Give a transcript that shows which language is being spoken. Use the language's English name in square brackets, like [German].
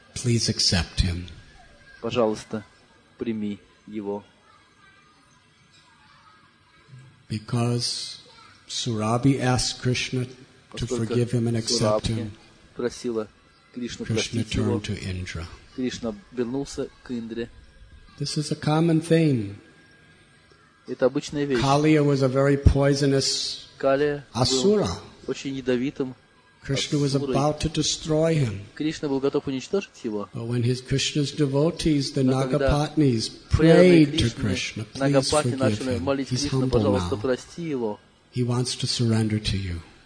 [English] Please accept him. [Russian] Пожалуйста, прими его. [English] Because Surabhi asked Krishna to forgive him and accept him, Krishna turned to Indra. [Russian] Кришна вернулся к Индре. [English] This is a common theme. [Russian] Это обычная вещь. [English] Kaliya was a very poisonous asura. [Russian] Очень ядовитым. [English] Krishna was about to destroy him. [Russian] Кришна был готов уничтожить его. [English] But when his Krishna's devotees, the Nagapatnis, prayed to Krishna, please forgive him. He's humble now. He wants to surrender to you.